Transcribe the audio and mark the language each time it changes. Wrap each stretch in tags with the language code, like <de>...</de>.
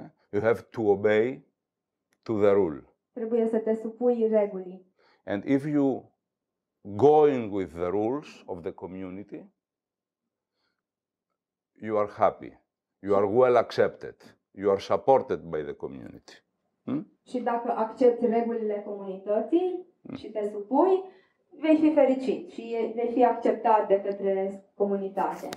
<en>You have to obey to the rule.</en> <ro>Trebuie să te supui regulii.</ro> <en>And if you going with the rules of the community, you are happy. You are well accepted. You are supported by the community.</en> <ro>Și dacă accepti regulile comunității și te supui, vei fi fericit și vei fi acceptat de către comunitate.</ro>